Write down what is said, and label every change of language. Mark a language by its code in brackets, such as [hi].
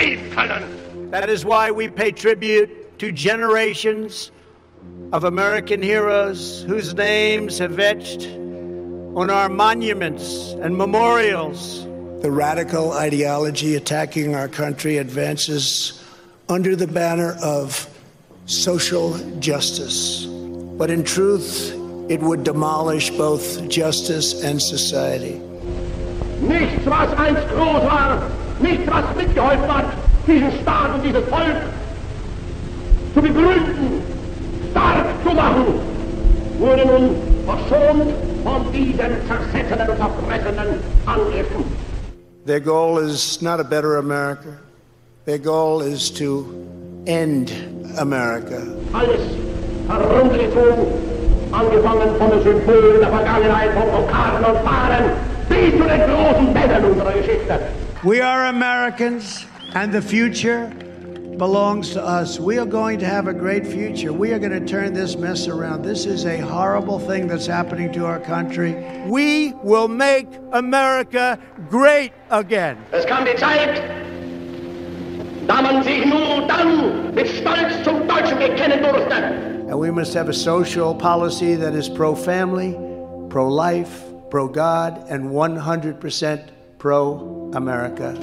[en] That is why we pay tribute to generations of American heroes whose names have etched on our monuments and memorials. The radical ideology attacking our country advances under the banner of social justice. But in truth, it would demolish both justice and society. [de] Nichts, was einst groß war, nichts, was mitgeholfen hat, diesen Staat und dieses Volk zu begründen, stark zu machen, wurde nun verschont von diesen zersetzenden und verbrechenden Angriffen. [en] Their goal is not a better America. Their goal is to end America. [de] Alles herumgezogen, angefangen von den Symbolen der Vergangenheit, von Blockaden und Fahren, bis zu den großen Bändern unserer Geschichte. [en] We are Americans, and the future belongs to us. We are going to have a great future. We are going to turn this mess around. This is a horrible thing that's happening to our country. We will make America great again. [de] Es kam die Zeit, da man sich nur dann mit Stolz zum Deutschen bekennen durfte. [en] And we must have a social policy that is pro-family, pro-life, pro-God, and 100% pro-America.